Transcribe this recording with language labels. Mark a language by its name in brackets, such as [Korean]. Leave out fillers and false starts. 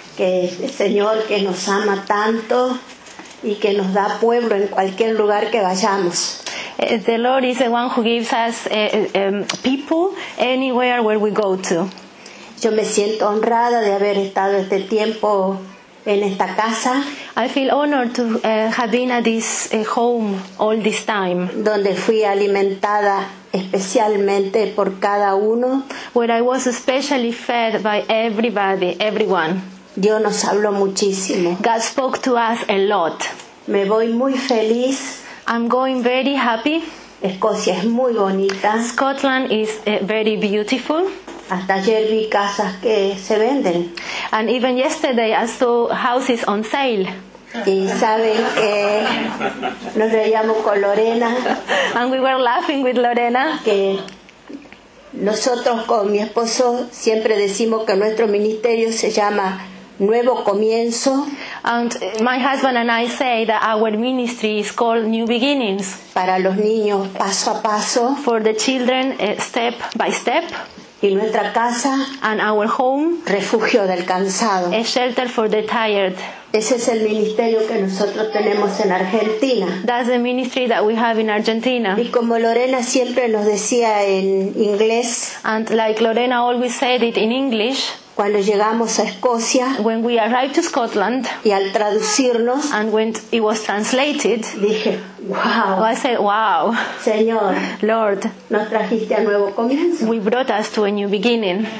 [Spanish] Que el Señor que nos ama tanto y que nos da pueblo en cualquier lugar que vayamos. [English] The Lord is the one who gives us people anywhere where we go to. [Spanish] Yo me siento honrada de haber estado este tiempo en esta casa. [English] I feel honored to have been at this home all this time. [Spanish] Donde fui alimentada especialmente por cada uno. [English] Where I was especially fed by everybody, everyone. [Spanish] Dios nos habló muchísimo. [English] God spoke to us a lot. [Spanish] Me voy muy feliz. [English] I'm going very happy. [Spanish] Escocia es muy bonita. [English] Scotland is very beautiful. [Spanish] Hasta ayer vi casas que se venden. [English] And even yesterday I saw houses on sale. [Spanish] Y saben que nos reíamos con Lorena. [English] And we were laughing with Lorena. [Spanish] Que nosotros con mi esposo siempre decimos que nuestro ministerio se llama Nuevo Comienzo. [English] And my husband and I say that our ministry is called New Beginnings. [Spanish] Para los niños, paso a paso. [English] For the children, step by step. [Spanish] Y nuestra casa, [English] and our home, [Spanish] refugio del cansado, [English] a shelter for the tired. [Spanish] Ese es el ministerio que nosotros tenemos en Argentina. [English] That's the ministry that we have in Argentina. [Spanish] Y como Lorena siempre nos decía en inglés, [English] and like Lorena always said it in English, [Spanish] cuando llegamos a Escocia, [English] when we arrived to Scotland, [Spanish] y al traducirnos, [English] and when it was translated, [Spanish] dije, wow. [English] I said, wow. [Spanish] Señor, [English] Lord, [Spanish] nos trajiste a nuevo comienzo. [English] We brought us to a new beginning.